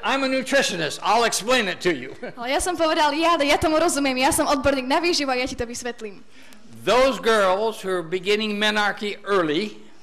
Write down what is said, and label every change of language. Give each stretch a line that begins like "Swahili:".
English: I'm a nutritionist. I'll explain it to you.
Slovak: Ale ja som povedal, ja tomu rozumiem. Ja som odborník na výživu, ja ti to vysvetlím.
English: Those girls who are beginning menarche early.